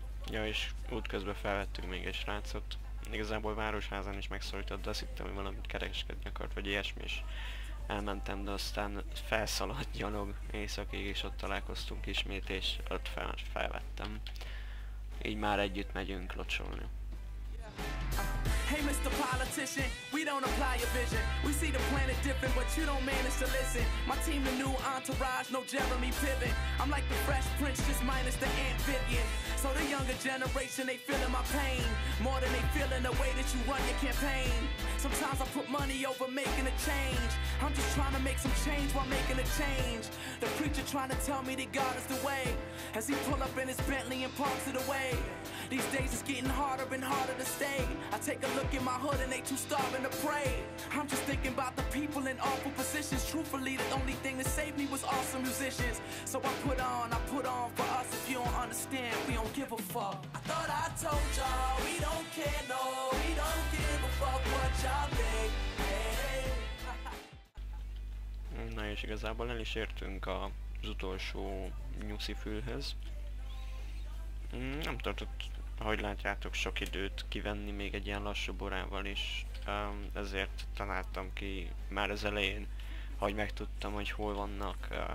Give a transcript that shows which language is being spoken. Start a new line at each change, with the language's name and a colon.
Hungarian: Ja, és útközben felvettük még egy srácot. Igazából városházán is megszólított, de azt hittem, hogy valamit kereskedni akart, vagy ilyesmi, és elmentem, de aztán felszaladt gyalog északig, és ott találkoztunk ismét, és ott felvettem. Így már együtt megyünk locsolni.
English: Hey, Mr. Politician, we don't apply your vision. We see the planet different, but you don't manage to listen. My team, the new entourage, no Jeremy Piven. I'm like the Fresh Prince, just minus the amphibian. So the younger generation, they feeling my pain. More than they feeling the way that you run your campaign. Sometimes I put money over making a change. I'm just trying to make some change while making a change. The preacher trying to tell me that God is the way. As he pull up in his Bentley and parks it away. These days it's getting harder and harder to stay. I take a look in my hood and they too starving to pray. I'm just thinking about the people in awful positions. Truthfully, the only thing that saved me was awesome musicians. So I put on for us. If you don't understand, we don't give a fuck. I thought I told y'all, we don't care, no. We don't give a fuck what y'all think, hey.
Hungarian: Na és igazából el is értünk az utolsó nyuszi fülhöz. Nem tartott, ahogy látjátok, sok időt kivenni még egy ilyen lassú borával is. Ezért találtam ki már az elején, ahogy megtudtam, hogy hol vannak.